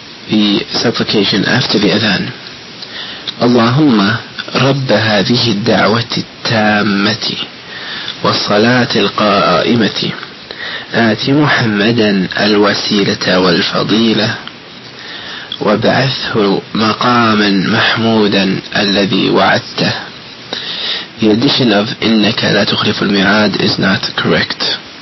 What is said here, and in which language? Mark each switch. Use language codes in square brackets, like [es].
[en] The supplication after the adhan. [ar] اللهم رب هذه الدعوة التامة والصلاة القائمة آت محمدا الوسيلة والفضيلة وبعثه مقاما محمودا الذي وعدته. [en] The addition of [ar] إنك لا تخلف الميعاد [en] is not correct.